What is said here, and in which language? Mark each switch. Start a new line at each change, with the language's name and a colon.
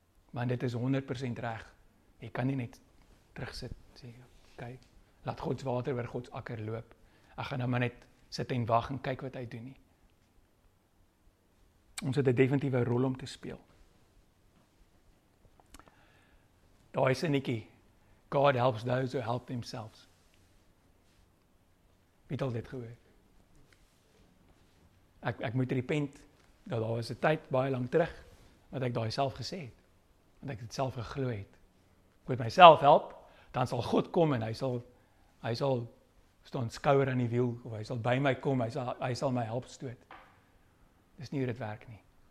Afrikaans: Want dit is 100% reg. Jy kan nie net terugsit sê, "Okay, laat God se water oor God se akker loop. Ek gaan nou maar net sit en wag en kyk wat hy doen nie." Ons het 'n definitiewe rol om te speel. Daai sinnetjie,
English: "God helps those who help themselves."
Afrikaans: Wie het al dit gehoor? Ek moet repent, dat daar was 'n tyd baie lank terug, wat ek daai self gesê het, wat ek dit self geglo het. Ek moet myself help, dan sal God kom en hy sal staan skouer aan die wiel, of hy sal by my kom, hy sal my help stoot. Dis nie hoe dit werk nie.